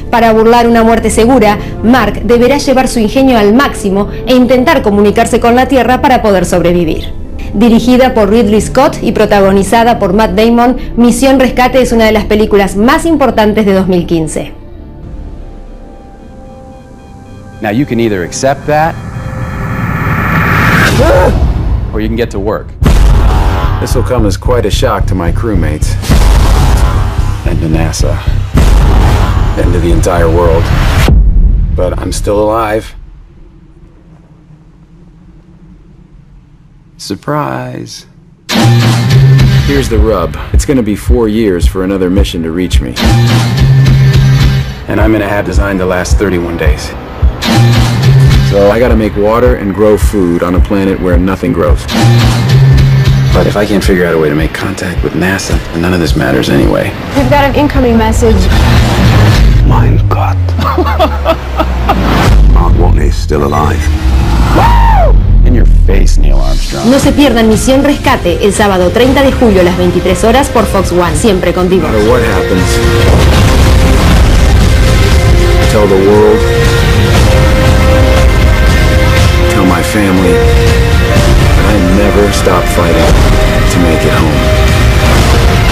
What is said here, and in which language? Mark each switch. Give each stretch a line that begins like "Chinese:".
Spanish: Para burlar una muerte segura, Mark deberá llevar su ingenio al máximo e intentar comunicarse con la Tierra para poder sobrevivir. Dirigida por Ridley Scott y protagonizada por Matt Damon, Misión Rescate es una de las películas más importantes de 2015.
English: Now you can either accept that, or you can get to work. This will come as quite a shock to my crewmates, and to NASA, and to the entire world. But I'm still alive. Surprise. Here's the rub. It's gonna be 4 years for another mission to reach me. And I'm gonna have designed the last 31 days. So I gotta make water and grow food on a planet where nothing grows. But if I can't figure out a way to make contact with NASA, then none of this matters anyway. We've got an incoming message.
German: Mein Gott.
English: Mark Watney's still alive. In your face, Neil Armstrong.
Spanish: No se pierdan Misión Rescate el sábado 30 de julio a las 23 horas por Fox One, siempre contigo.
English: No matter what happens, tell the world, tell my family, I never stop fighting to make it home.